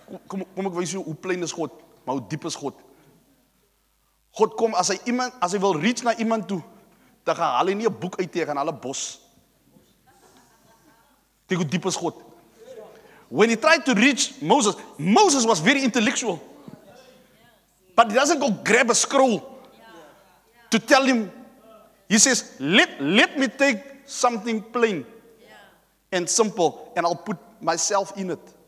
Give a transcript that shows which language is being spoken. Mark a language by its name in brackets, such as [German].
[Afrikaans] Kom ek wys jou hoe plein is God, maar hoe diep is God. God kom as hy iemand, as hy wil reach na iemand toe, dan gaan hy nie 'n boek uit teek aan hulle bos. Kyk hoe diep is God. [English] When he tried to reach Moses, Moses was very intellectual. But he doesn't go grab a scroll to tell him. He says, let me take something plain and simple and I'll put myself in it.